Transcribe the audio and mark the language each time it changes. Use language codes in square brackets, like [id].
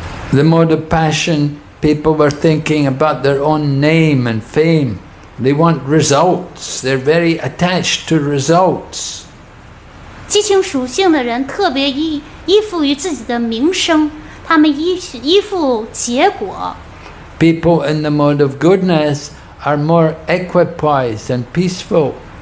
[en] The more the passion, people were thinking about their own name and fame. They want results. They're very attached to results. [zh] 激情属性的人特别依附于自己的名声，他们依附结果。 [en] People in the mode of goodness are more equipoised and peaceful.